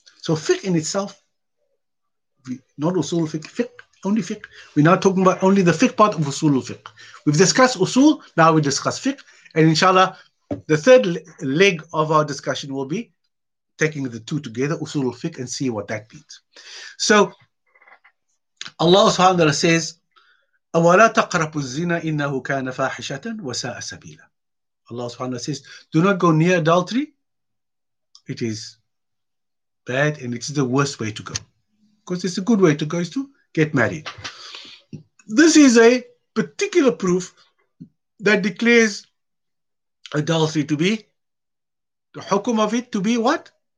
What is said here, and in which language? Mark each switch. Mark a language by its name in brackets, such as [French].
[English] So fiqh in itself, not usul al-fiqh, fiqh, only fiqh. We're now talking about only the fiqh part of usul al-fiqh. We've discussed usul, now we discuss fiqh. And inshallah, the third leg of our discussion will be taking the two together, usul al-fiqh, and see what that means. So Allah subhanahu wa ta'ala says, [Arabic] أَوَلَا تَقْرَبُ الزِّنَا إِنَّهُ كَانَ فَاحِشَةً وَسَاءَ سَبِيلًا. [English] Allah subhanahu wa ta'ala says, do not go near adultery. It is bad and it's the worst way to go. Because it's a good way to go is to get married. This is a particular proof that declares adultery to be, the hukum of it to be what?